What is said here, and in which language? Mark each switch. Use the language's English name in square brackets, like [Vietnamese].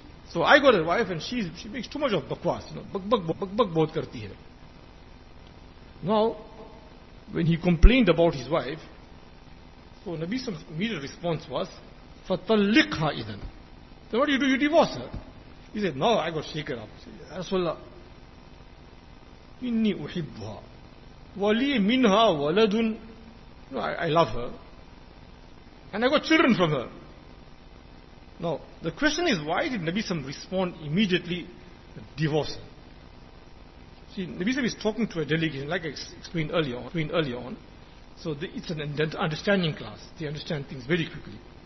[English] So I got a wife, and she makes too much of bakwas. You know, [Urdu] bak-bak bohat karti hai. [English] Now, when he complained about his wife, so Nabi Sam's immediate response was, [Arabic] فَتَلِّقْهَا إِذَن. [English] Then what do you do? You divorce her. He said, no, I got shaken up. He said, [Arabic] Rasulullah, إِنِّي أُحِبُّهَا وَلِي مِنْهَا وَلَدٌ. [English] No, I love her. And I got children from her. Now, the question is, why did Nabi Sam respond immediately, divorce her? See, Nabi Sam is talking to a delegation, like I explained earlier on. So it's an understanding class. They understand things very quickly.